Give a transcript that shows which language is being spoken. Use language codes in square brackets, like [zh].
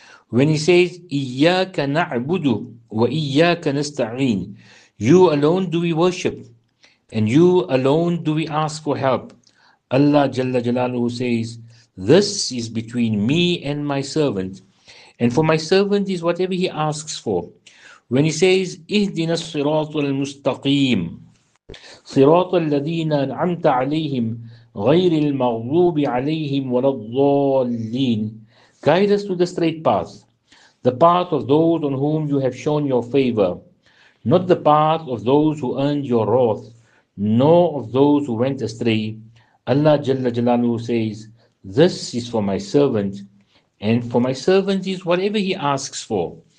[en] When he says, [ar] 'Iyyaka na'budu wa iyyaka nasta'in,' [en] you alone do we worship, and you alone do we ask for help, Allah Jalla Jalaluhu says, 'This is between me and my servant.' And for my servant is whatever he asks for. When he says, [ar] اهدنا الصراط المستقيم, صراط الذين أنعمت عليهم غير المغضوب عليهم ولا الضالين. [en] Guide us to the straight path, the path of those on whom you have shown your favor, not the path of those who earned your wrath, nor of those who went astray. Allah Jalla Jalalu says, this is for my servant, and for my servant is whatever he asks for.